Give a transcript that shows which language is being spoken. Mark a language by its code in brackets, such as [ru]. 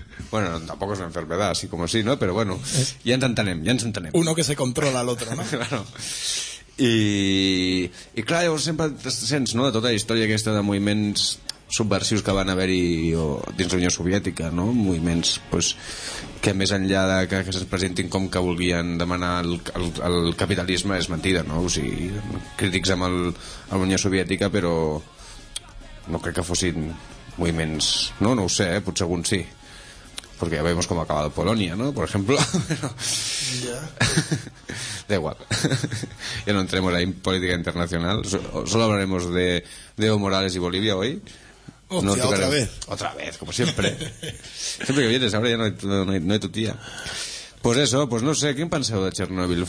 [es] Bueno, tampoco es una enfermedad, así como sí, ¿no? Pero bueno, ya entenem. Uno que se controla al otro, ¿no? Claro. [ca] Y claro, llavors sempre te sents, ¿no?, de tota la història aquesta de moviments subversius que van haver-hi dins la Unió Soviètica, ¿no? Moviments, pues, que més enllà de que se'ns presentin com que volguien demanar el capitalisme, és mentida, no? O sigui, crítics amb la Unió Soviètica, però no crec que fossin moviments... No ho sé, potser alguns sí. [es] porque ya vemos cómo ha acabado Polonia, ¿no? Por ejemplo. Pero... Ya. Da igual. Ya no entremos ahí en política internacional. Solo hablaremos de Evo Morales y Bolivia hoy. Hostia, no tocaremos... Otra vez, como siempre. Siempre que vienes, ahora ya no hay tu tía. Pues eso, pues no sé, [ca] ¿quin penseu [es] de Chernobyl?